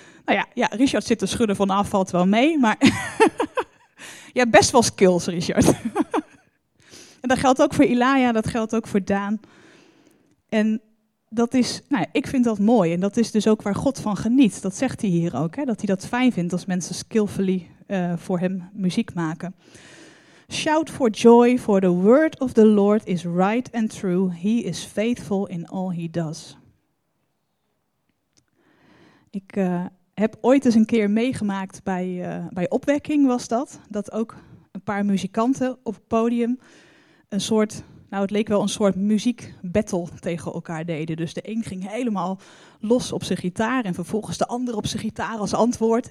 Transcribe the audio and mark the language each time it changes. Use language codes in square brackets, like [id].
[nl] Nou ja, ja, Richard zit te schudden van af, valt wel mee. Maar ja, best wel skills, Richard. En dat geldt ook voor Ilaya, dat geldt ook voor Daan. En dat is, nou ja, ik vind dat mooi. En dat is dus ook waar God van geniet. Dat zegt hij hier ook, hè, dat hij dat fijn vindt als mensen skillfully voor hem muziek maken. [en] Shout for joy, for the word of the Lord is right and true. He is faithful in all he does. [nl] Ik heb ooit eens een keer meegemaakt bij Opwekking was dat. Dat ook een paar muzikanten op het podium een soort, nou het leek wel een soort muziek battle tegen elkaar deden. Dus de een ging helemaal los op zijn gitaar en vervolgens de ander op zijn gitaar als antwoord.